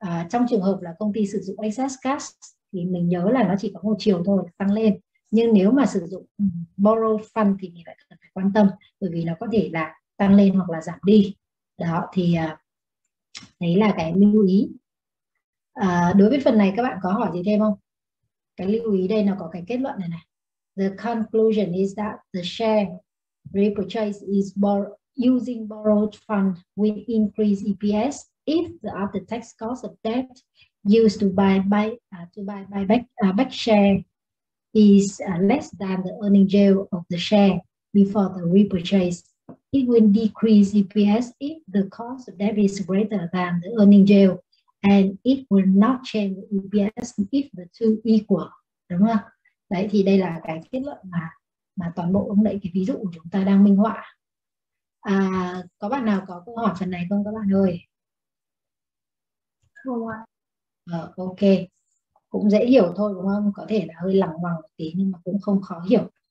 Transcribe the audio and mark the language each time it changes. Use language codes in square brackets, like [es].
[vi] Trong trường hợp là công ty sử dụng excess cash thì mình nhớ là nó chỉ có một chiều thôi tăng lên, nhưng nếu mà sử dụng borrow fund thì mình lại cần phải quan tâm, bởi vì nó có thể là tăng lên hoặc là giảm đi đó. Thì đấy là cái lưu ý. Đối với phần này các bạn có hỏi gì thêm không? Cái lưu ý đây nó có cái kết luận này này. [en] The conclusion is that the share repurchase is using borrowed fund will increase EPS if the after tax cost of debt used to buy back share is less than the earning yield of the share before the repurchase. It will decrease EPS if the cost of debt is greater than the earning yield, and it will not change EPS if the two equal, [vi] đúng không? Đấy, thì đây là cái kết luận mà toàn bộ ông đấy cái ví dụ của chúng ta đang minh họa. Có bạn nào có câu hỏi phần này không các bạn ơi? Không ạ. Ok, cũng dễ hiểu thôi đúng không? Có thể là hơi lằng ngoằng một tí nhưng mà cũng không khó hiểu.